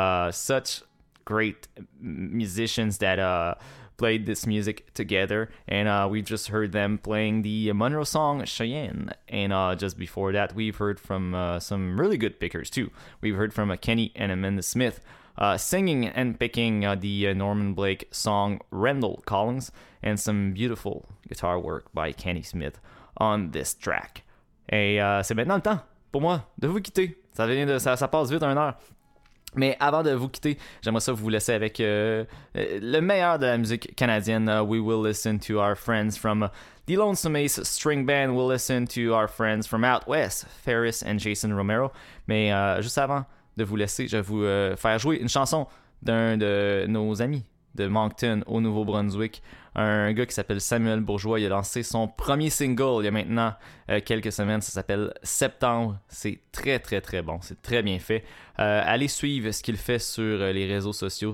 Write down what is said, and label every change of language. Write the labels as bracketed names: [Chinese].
[English] Such great musicians that played this music together, and we've just heard them playing the Monroe song Cheyenne, and just before that, we've heard from some really good pickers too. We've heard from Kenny and Amanda Smith singing and picking the Norman Blake song Randall Collins, and some beautiful guitar work by Kenny Smith on this track. [French] Et c'est maintenant le temps pour moi de vous quitter. Ça passe vite, 1 heure. Mais avant de vous quitter, j'aimerais ça vous laisser avec le meilleur de la musique canadienne. [English] We will listen to our friends from The Lonesome Ace String Band. We'll listen to our friends from Out West, Ferris and Jason Romero. [French] Mais juste avant de vous laisser, je vais vous faire jouer une chanson d'un de nos amis de Moncton au Nouveau-Brunswick. Un gars qui s'appelle Samuel Bourgeois, il a lancé son premier single il y a maintenant quelques semaines. Ça s'appelle Septembre. C'est très, très, très bon. C'est très bien fait. Allez suivre ce qu'il fait sur les réseaux sociaux.